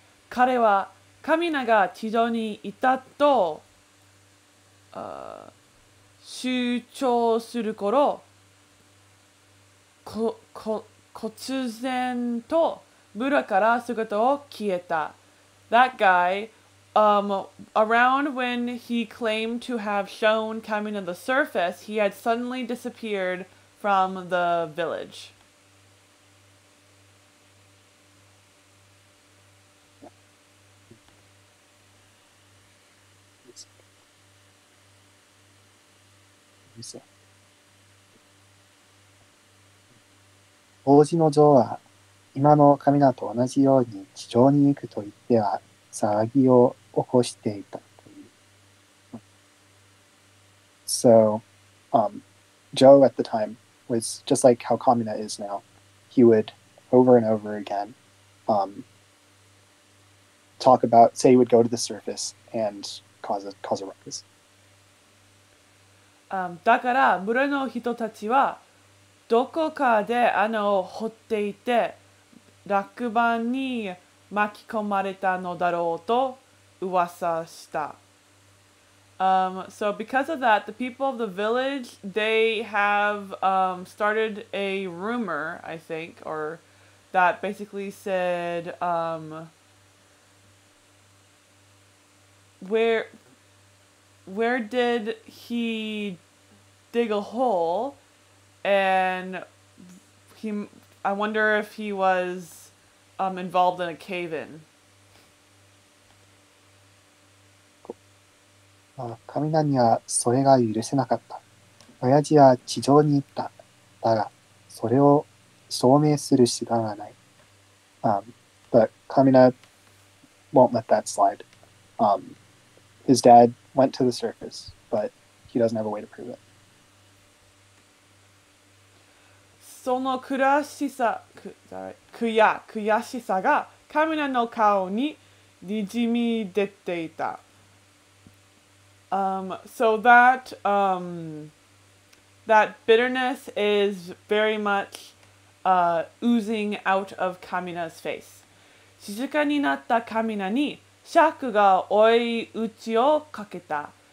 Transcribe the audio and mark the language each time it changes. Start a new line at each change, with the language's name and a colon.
Japanese: 彼はカミナが地上にいたと主張する頃、突然と村から姿を消えた。
English: That guy, around when he claimed to have shown Kamina the surface, he had suddenly disappeared from the village.
Japanese: 王子の女王は今のカミナと同じように地上に行くと言っては騒ぎを起こしていたという。
English: So, Joe at the time was just like how Kamina is now. He would over and over again, talk about, say he would go to the surface and cause a ruckus.
Japanese: だから村の人たちはどこかで穴を掘っていて落盤に巻き込まれたのだろうと噂した。
English: So because of that, the people of the village, they have started a rumor, I think, or that basically said where did he... dig a hole, and he, I wonder if he was involved in a cave-in.
Japanese: カミナにはそれが許せなかった。親父は地上に行った。だが、それを証明する手段はない。
English: But Kamina won't let that slide. His dad went to the surface, but he doesn't have a way to prove it.
Japanese: その悔しさ、悔しさがカミナの顔ににじみ出ていた。
English: So that, that bitterness is very much, oozing out of Kamina's face.
Japanese: 静かになったカミナにシャークが追い打ちをかけた。